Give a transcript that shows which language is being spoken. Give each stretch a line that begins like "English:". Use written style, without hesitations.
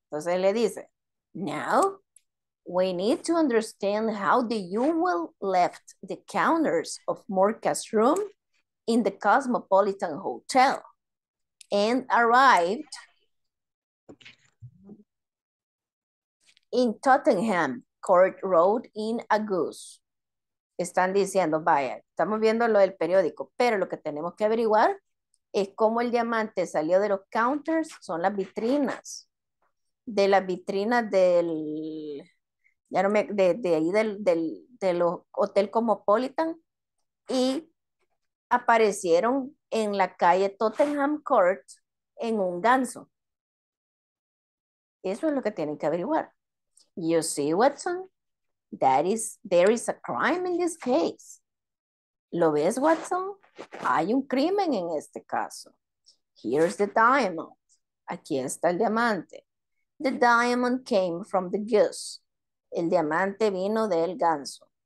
Spanish: Entonces le dice,
English: now, we need to understand how the jewel left the counters of Morca's room in the Cosmopolitan Hotel and arrived in Tottenham Court Road in August.
Spanish: Están diciendo, vaya, estamos viendo lo del periódico, pero lo que tenemos que averiguar es cómo el diamante salió de los counters, son las vitrinas, de las vitrinas del, ya no me, de ahí del Hotel Cosmopolitan, y aparecieron en la calle Tottenham Court en un ganso. Eso es lo que tienen que averiguar.
English: You see, Watson, there is a crime in this case.
Spanish: ¿Lo ves, Watson? Hay un crimen en este caso.
English: Here's the diamond.
Spanish: Aquí está el diamante.
English: The diamond came from the goose.
Spanish: El diamante vino del ganso.